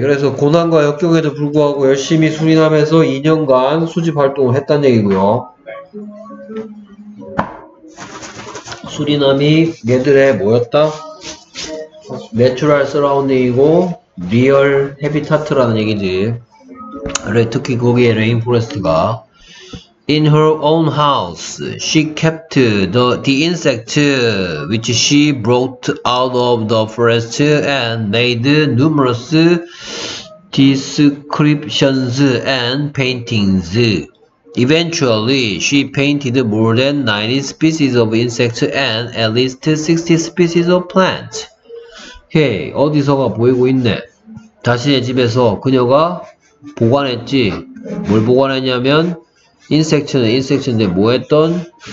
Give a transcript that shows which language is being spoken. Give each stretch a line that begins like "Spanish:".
Korean: 그래서 고난과 역경에도 불구하고 열심히 수리남에서 2년간 수집 활동을 했단 얘기고요. 수리남이 얘들의 뭐였다? 내추럴 서라운딩이고 리얼 헤비타트라는 얘기지. 특히 거기에 레인포레스트가
English: In her own house, she kept the insect which she brought out of the forest and made numerous descriptions and paintings. Eventually, she painted more than 90 species of insects and at least 60 species of plants.
Korean: Hey, 어디서가 보이고 있네. 자신의 집에서 그녀가 보관했지. 뭘 보관했냐면 인섹트는 인섹트인데 뭐 했던?